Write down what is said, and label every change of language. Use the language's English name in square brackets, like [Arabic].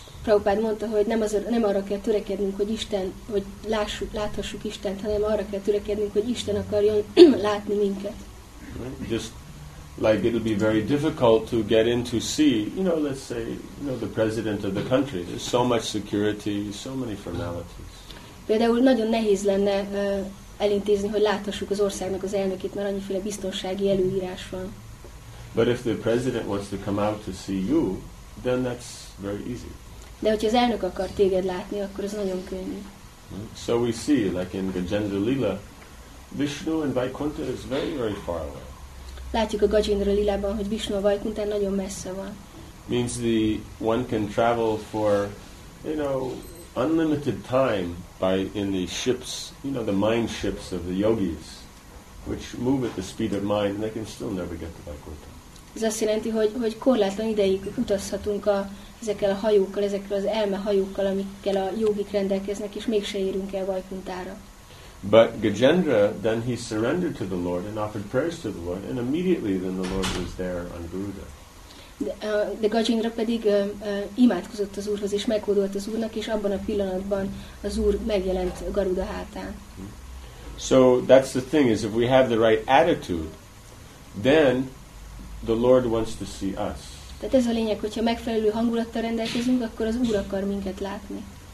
[Hungarian] Prabhupada mondta, hogy nem arra kell törekednünk, hogy Isten, hogy láthassuk Istent, hanem arra kell törekednünk, hogy Isten akarjon látni minket. [English] Right? Just like it would be very difficult to get in to see, you know, let's say, you know, the president of the country. There's so much security, so many formalities. [Hungarian] Például nagyon nehéz lenne elintézni, hogy láthassuk az országnak az elnökét, mert annyiféle biztonsági előírás van. [English] But if the president wants to come out to see you, then that's very easy. [Hungarian] De hogyha az elnök akar téged látni, akkor az nagyon könnyű. [English] So we see, like in Gajendra Lila, Vishnu and Vaikuntha is very, very far away. [Hungarian] Látjuk a Gajendra Lilában, hogy Vishnu a Vaikuntán nagyon messze van. [English] Means the one can travel for, you know, unlimited time in the ships, you know, the mind ships of the yogis, which move at the speed of mind, and they can still never get to Vaikuntha. [Hungarian] Ez azt jelenti, hogy korlátlan ideig utazhatunk ezekkel a hajókkal, ezekkel az elme hajókkal, amikkel a jogik rendelkeznek, és mégse érünk el Vaikuntára. [English] But Gajendra, then he surrendered to the Lord and offered prayers to the Lord, and immediately then the Lord was there on Garuda. [Hungarian] De Gajendra pedig imádkozott az Úrhoz, és meghódolt az Úrnak, és abban a pillanatban az Úr megjelent Garuda hátán. [English] So that's the thing, is if we have the right attitude, then the Lord wants to see us. [Hungarian] Tehát ez a lényeg, hogyha megfelelő hangulattal rendelkezünk, akkor az Úr akar minket látni.